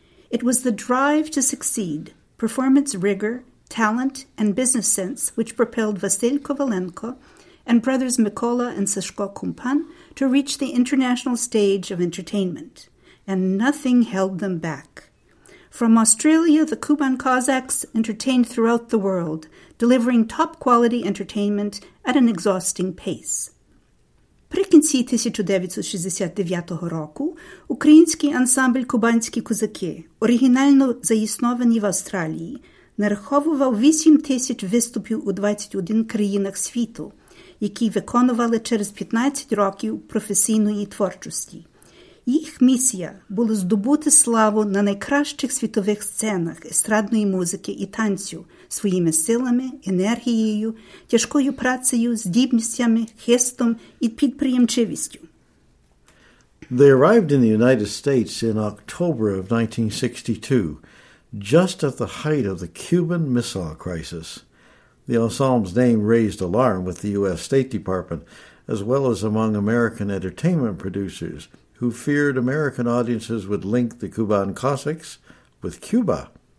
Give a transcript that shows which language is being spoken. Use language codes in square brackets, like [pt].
[en] It was the drive to succeed, performance rigor, talent, and business sense which propelled Vasyl Kovalenko and brothers Mykola and Sashko Kumpan to reach the international stage of entertainment, and nothing held them back. From Australia, the Kuban Cossacks entertained throughout the world, delivering top-quality entertainment at an exhausting pace. [uk] Прикінці 1969 року український ансамбль «Кубанські козаки», оригінально заіснований в Австралії, нараховував 8 тисяч виступів у 21 країнах світу, які виконували через 15 років професійної творчості. Їх місія була здобути славу на найкращих світових сценах естрадної музики і танцю своїми силами, енергією, тяжкою працею, здібностями, хистом і підприємчивістю. [en] They arrived in the United States in October of 1962, just at the height of the Cuban Missile Crisis. The ensemble's name raised alarm with the U.S. State Department, as well as among American entertainment producers, who feared American audiences would link the Kuban Cossacks with Cuba.